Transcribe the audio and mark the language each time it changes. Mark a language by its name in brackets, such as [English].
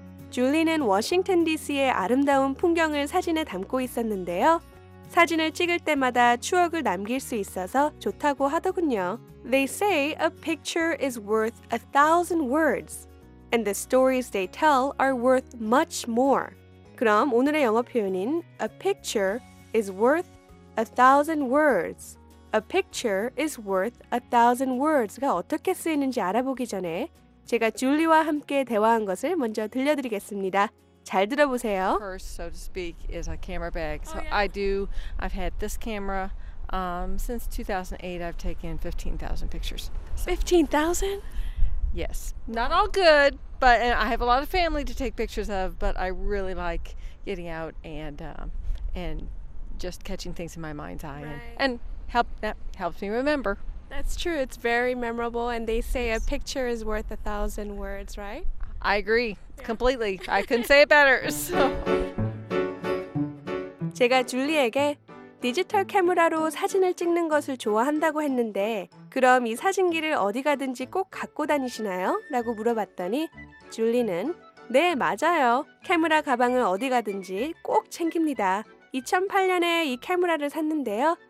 [Korean] 줄리는 워싱턴 DC의 아름다운 풍경을 사진에 담고 있었는데요. 사진을 찍을 때마다 추억을 남길 수 있어서 좋다고 하더군요. [English] They say a picture is worth a thousand words, and the stories they tell are worth much more. [Korean] 그럼 오늘의 영어 표현인 [English] A picture is worth a thousand words. A picture is worth a thousand words [Korean] 가 어떻게 쓰이는지 알아보기 전에 제가 줄리와 함께 대화한 것을 먼저 들려드리겠습니다. 잘 들어보세요. [English] First, so to speak, is a camera bag. So oh, yeah. I do, I've had this camera. Since 2008, I've taken 15,000 pictures. So. 15,000? Yes. Not all good, but and I have a lot of family to take pictures of, but I really like getting out and just catching things in my mind's eye. Right. That helps me remember. That's true. It's very memorable. And they say yes. A picture is worth a thousand words, right? I agree. Yeah. Completely. I couldn't say it better. So. [Korean] 제가 줄리에게 디지털 카메라로 사진을 찍는 것을 좋아한다고 했는데 그럼 이 사진기를 어디 가든지 꼭 갖고 다니시나요? 라고 물어봤더니 줄리는 네, 맞아요. 카메라 가방을 어디 가든지 꼭 챙깁니다. 2008년에 이 카메라를 샀는데요.